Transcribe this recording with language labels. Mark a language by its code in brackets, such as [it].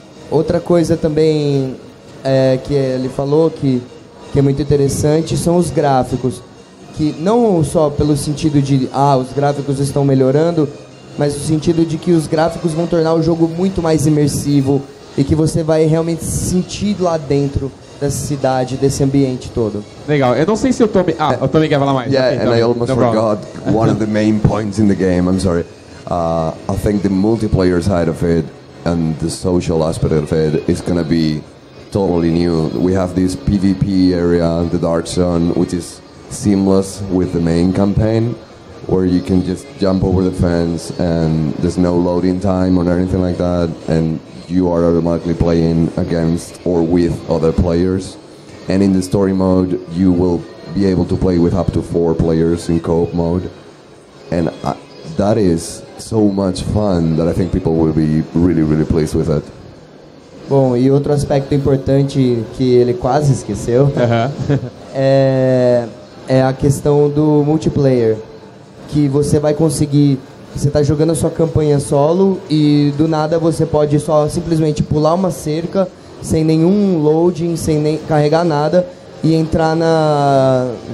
[pt] Outra coisa também que ele falou que é muito interessante são os gráficos, que não só pelo sentido de os gráficos estão melhorando, mas no sentido de que os gráficos vão tornar o jogo muito mais imersivo e que você vai realmente se sentir lá dentro dessa cidade, desse ambiente todo. Legal. Eu não sei se o Tommy... o Tommy quer falar mais. [en] Yeah, okay, and Tommy. I almost no forgot problem. One of the main points in the game, I'm sorry. I think the multiplayer side of it and the social aspect of it is going to be totally new. We have this PvP area, the Dark Zone, which is seamless with the main campaign, where you can just jump over the fence and there's no loading time or anything like that, and you are automatically playing against or with other players. And in the story mode, you will be able to play with up to 4 players in co-op mode. And that is so much fun that I think people will be really, really pleased with it. [pt] Bom, e outro aspecto importante que ele quase esqueceu é a questão do multiplayer. Que você vai conseguir, você tá jogando a sua campanha solo e do nada você pode só simplesmente pular uma cerca sem nenhum loading, sem nem carregar nada e entrar na